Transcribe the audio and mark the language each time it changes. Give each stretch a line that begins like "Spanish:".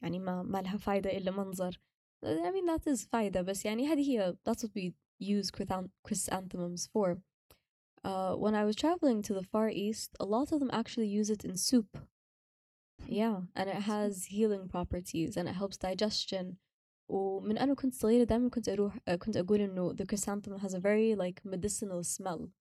Arabic: يعني ما لها فايدة إلا منظر.
English: I mean, that is fayda, but
Arabic: يعني هذه هي,
English: that's what we use chrysanthemums for. When I was traveling to the Far East, a lot of them actually use it in soup. Yeah, and it has healing properties and it helps digestion.
Arabic: ومن أنا كنت صغيرة دائما كنت أروح كنت أقول إنه
English: the chrysanthemum has a very like medicinal smell.